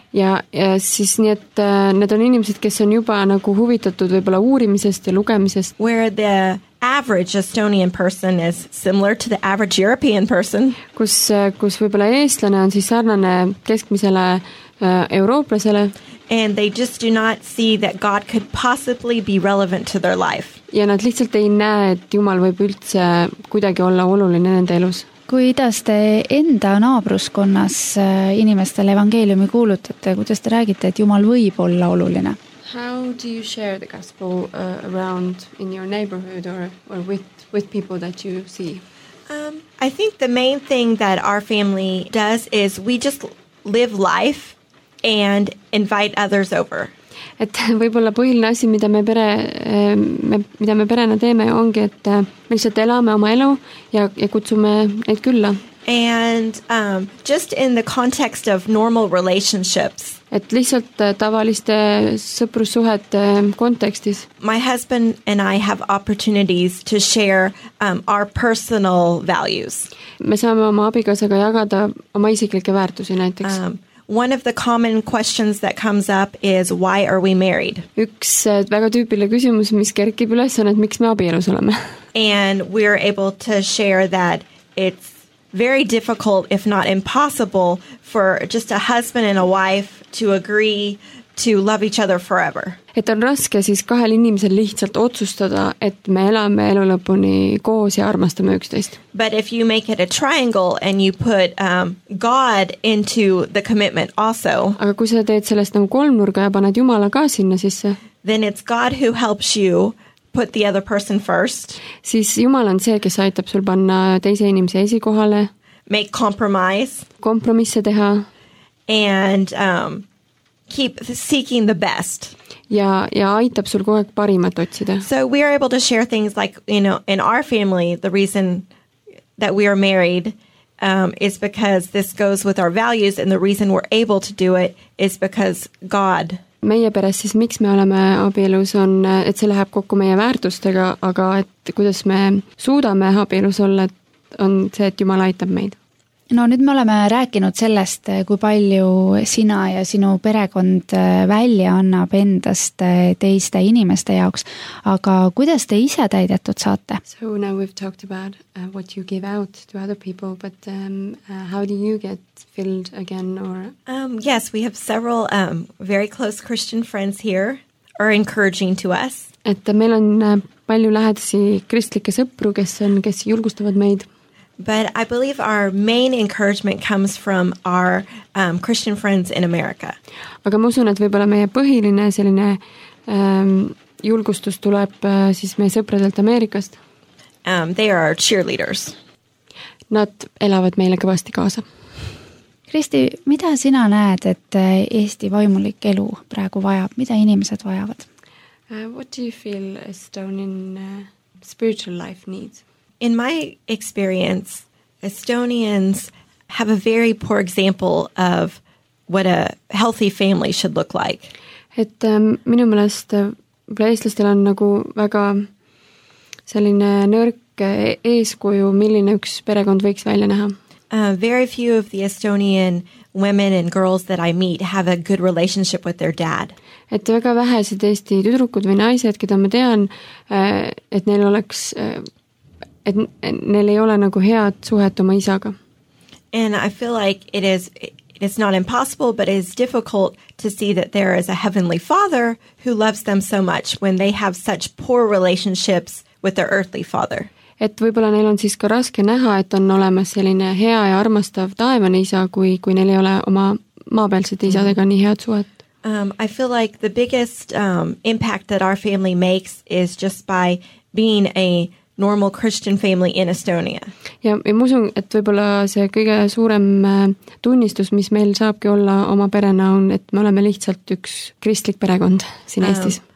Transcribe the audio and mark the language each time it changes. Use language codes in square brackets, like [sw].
[et] Ja siis nii, et need on inimesed, kes on juba nagu huvitatud võib-olla uurimisest ja lugemisest. [en] Where the average Estonian person is similar to the average European person. [et] Kus võib-olla eestlane on siis sarnane keskmisele eurooplasele. [en] And they just do not see that God could possibly be relevant to their life. [et] Ja nad lihtsalt ei näe, et Jumal võib üldse kuidagi olla oluline nende elus. Kuidas te enda naabruskonnas inimestele evangeeliumi kuulutate? Kuidas te räägite, et Jumal võib olla oluline? [en] How do you share the gospel around in your neighborhood or with people that you see? I think the main thing that our family does is we just live life and invite others over. [et] Et võib-olla põhiline asi, mida me perena teeme, ongi, et me lihtsalt elame oma elu ja kutsume neid külla. [en] And just in the context of normal relationships. [et] Et lihtsalt tavaliste sõprussuhete kontekstis. [en] My husband and I have opportunities to share our personal values. [et] Me saame oma abikasega jagada oma isiklike väärtusi näiteks. [en] One of the common questions that comes up is, why are we married? [et] Üks väga tüüpile küsimus, mis kerkib üles, on, et miks me abielus oleme. [en] And we're able to share that it's very difficult, if not impossible, for just a husband and a wife to agree to love each other forever. [et] Et on raske siis kahel inimesel lihtsalt otsustada, et me elame elu lõpuni koos ja armastame üksteist. [en] But if you make it a triangle and you put God into the commitment also. [et] Aga kui sa teed sellest nagu kolmnurga ja paned Jumala ka sinna sisse. [en] Then it's God who helps you put the other person first. [et] Siis Jumal on see, kes aitab sul panna teise inimese esikohale. [en] Make compromise. [et] Kompromisse teha. [en] And keep seeking the best. [et] Ja aitab sul kogu aeg parimat otsida. [en] So we are able to share things like, you know, in our family, the reason that we are married is because this goes with our values, and the reason we're able to do it is because God. [et] Meie peres siis, miks me oleme abielus, on, et see läheb kokku meie väärtustega, aga et kuidas me suudame abielus olla, on see, et Jumal aitab meid. No nüüd me oleme rääkinud sellest, kui palju sina ja sinu perekond välja annab endast teiste inimeste jaoks, aga kuidas te ise täidetud saate? [en] So now we've talked about what you give out to other people, but how do you get filled again? Or Yes, we have several very close Christian friends here are encouraging to us. [et] Et meil on palju lähedasi kristlike sõpru, kes julgustavad meid. [en] But I believe our main encouragement comes from our Christian friends in America. [et] Aga ma usun, et võib-olla meie põhiline selline julgustus tuleb siis meie sõpradelt Ameerikast. [en] They are our cheerleaders. [et] Nad elavad meile kõvasti kaasa. Kristi, mida sina näed, et Eesti vaimulik elu praegu vajab? Mida inimesed vajavad? [en] What do you feel Estonian spiritual life needs? In my experience, Estonians have a very poor example of what a healthy family should look like. [et] Et minu mõelest eestlastel on nagu väga selline nõrk eeskuju, milline üks perekond võiks välja näha. [en] Very few of the Estonian women and girls that I meet have a good relationship with their dad. [et] Et väga vähesed Eesti tüdrukud või naised, keda ma tean, et neil oleks... et neil ei ole nagu head suhet oma isaga. [en] And I feel like it is not impossible, but it is difficult to see that there is a heavenly father who loves them so much when they have such poor relationships with their earthly father. [et] Et võib-olla neil on siis ka raske näha, et on olemas selline hea ja armastav taevane isa, kui neil ei ole oma maapealsed isadega nii head suhet. [en] I feel like the biggest impact that our family makes is just by being a normal Christian family in Estonia. [et] Ja ma usun, et võib-olla see kõige suurem tunnistus, mis meil saabki olla oma perena, on, et me oleme lihtsalt üks kristlik perekond siin Eestis.